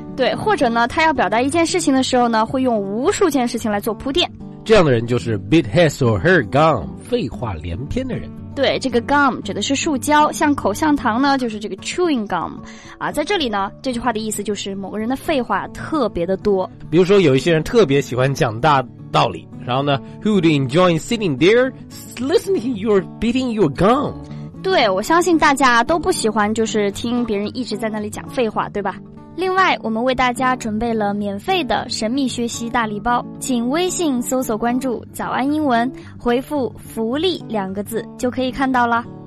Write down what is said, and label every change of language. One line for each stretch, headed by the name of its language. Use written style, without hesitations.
Chinese: 对，或者呢他要表达一件事情的时候呢，会用无数件事情来做铺垫。这样的人就是
English: bit his or her gum，
Chinese: 废话连篇的人。对，这个 gum 指的是树胶，像口香糖呢就是这个 chewing gum 啊。在这里呢，这句话的意思就是某个人的废话特别的多。比如说有一些人特别喜欢讲大道理，然后呢
English: who would enjoy sitting there listening to your beating your gum。
Chinese: 对，我相信大家都不喜欢就是听别人一直在那里讲废话，对吧？另外我们为大家准备了免费的神秘学习大礼包，请微信搜索关注早安英文，回复福利两个字就可以看到了。